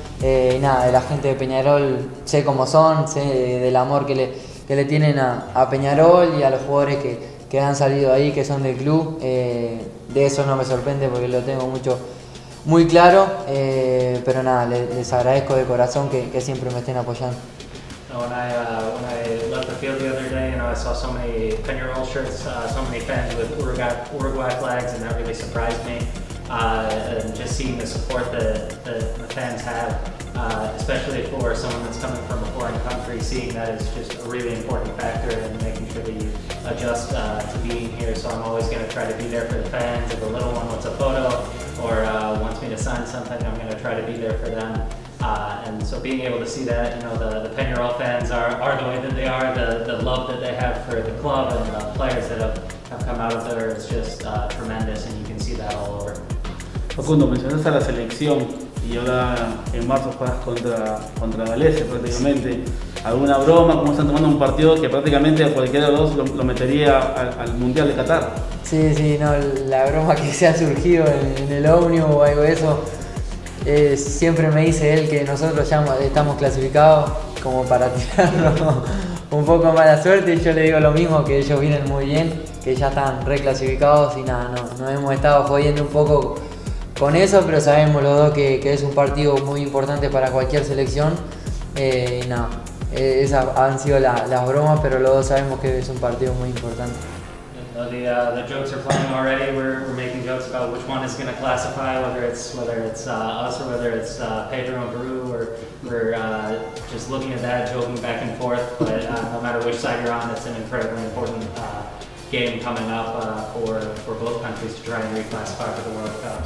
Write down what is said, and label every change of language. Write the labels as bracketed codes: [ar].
[es] Y nada, de la gente de Peñarol sé cómo son, sé del amor que le tienen a Peñarol y a los jugadores que han salido ahí, que son del club. De eso no me sorprende porque lo tengo mucho muy claro, pero nada, les agradezco de corazón que siempre me estén apoyando. [en] When I left the field the other day and I saw so many Peñarol shirts, so many fans with Uruguay flags, and that really surprised me. And just seeing the support that the fans have, especially for someone that's coming from a foreign country, seeing that is just a really important factor in making sure that you adjust to being here. So I'm always going to try to be there for the fans. If a little one wants a photo or wants me to sign something, I'm going to try to be there for them. And so being able to see that, you know, the Peñarol fans are the way that they are, the love that they have for the club and the players that have come out of there is just tremendous, and you can see that all over. [es] Facundo, mencionaste a la selección y ahora en marzo juegas contra Galese prácticamente. ¿Alguna broma? ¿Cómo están tomando un partido que prácticamente a cualquiera de los dos lo metería al Mundial de Qatar? Sí, no, la broma que se ha surgido en el ómnibus o algo de eso, Siempre me dice él que nosotros ya estamos clasificados como para tirarlo un poco mala suerte. Yo le digo lo mismo, que ellos vienen muy bien, que ya están reclasificados y nada, nos hemos estado jodiendo un poco con eso, pero sabemos los dos que es un partido muy importante para cualquier selección. Y nada, esas han sido las bromas, pero los dos sabemos que es un partido muy importante. [en] The jokes are flying already. We're making jokes about which one is going to classify, whether it's us or whether it's Pedro and Peru. We're just looking at that, joking back and forth. But no matter which side you're on, it's an incredibly important game coming up for both countries to try and reclassify for the World Cup.